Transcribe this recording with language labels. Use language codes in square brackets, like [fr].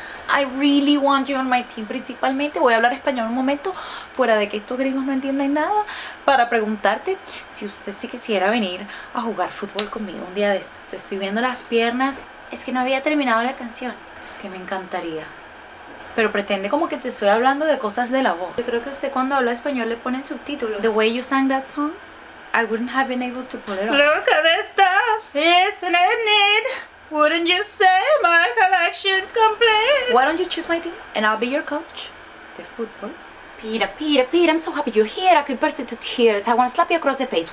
[en] I really want you on my team, principalmente. [es] Voy a hablar español un momento, fuera de que estos gringos no entiendan nada, para preguntarte si usted sí quisiera venir a jugar fútbol conmigo un día de estos. Te estoy viendo las piernas. Es que no había terminado la canción. Es que me encantaría. Pero pretende como que te estoy hablando de cosas de la voz. Yo creo que usted cuando habla español le ponen subtítulos. [en] The way you sang that song, I wouldn't have been able to pull it off. Look at this stuff, isn't it neat? Wouldn't you say my collection's complete? Why don't you choose my team and I'll be your coach? The football. Peter, I'm so happy you're here. I could burst into tears. I want to slap you across the face.